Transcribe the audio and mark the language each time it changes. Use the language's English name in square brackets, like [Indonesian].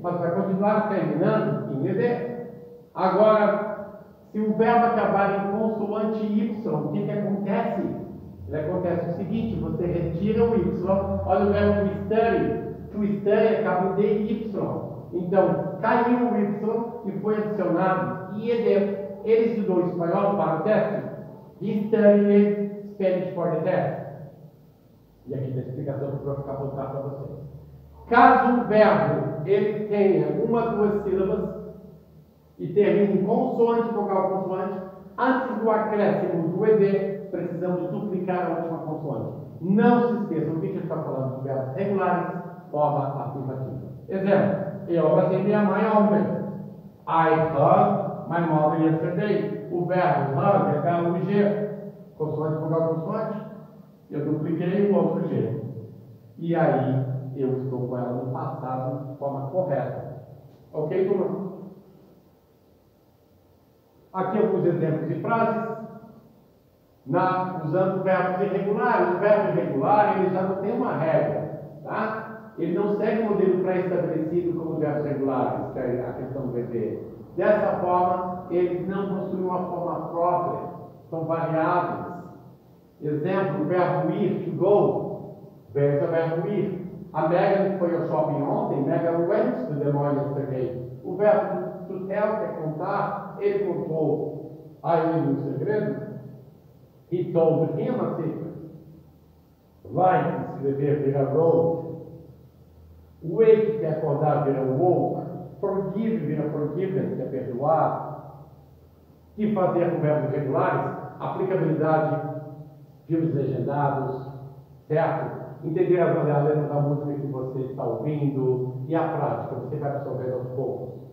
[Portuguese] Mas vai continuar terminando em ED. Agora, se o verbo acabar em consoante Y, o que que acontece? Ele acontece o seguinte, você retira o Y. Olha o verbo to study. To study acaba em D e Y. Então, caiu o Y e foi adicionado em ED. Ele estudou espanhol para o teste? [English] Study Spanish for the test. [Portuguese] E aqui na explicação que eu vou ficar apontado para vocês. Caso um verbo ele tenha uma ou duas sílabas e termine consoante, vogal consoante, antes do acréscimo do ED, precisamos duplicar a última consoante. Não se esqueçam, o que a gente está falando de verbos regulares, forma afirmativa. Exemplo: eu abracei minha mãe ontem. [English] I hugged my mother yesterday. [Portuguese] O verbo hug é verbo G. Consoante, vogal, consoante. Eu dupliquei o outro G. E aí, eu estou com ela no passado de forma correta. Ok, turma? Aqui alguns exemplos de frases. Usando verbos irregulares. O verbo irregular, ele já não tem uma regra, tá? Ele não segue o modelo pré-estabelecido como verbos regulares, que é a questão do VT. Dessa forma, ele não possui uma forma própria, são variáveis. Exemplo, o verbo ir, to go. Veja o verbo ir. A Megan foi ao shopping ontem, [English] Megan went to the mall yesterday. [Portuguese] O verbo to tell, que é contar, ele contou a ele um segredo. [English] He told him a secret. [Portuguese] Like, escrever, vira wrote. Wake, que é acordar, vira woke. Forgive, vira forgiven, que é perdoar. Que fazer com verbos regulares? Aplicabilidade, filmes legendados, certo? Entender a letra da música que você está ouvindo e a prática, você vai absorver aos poucos.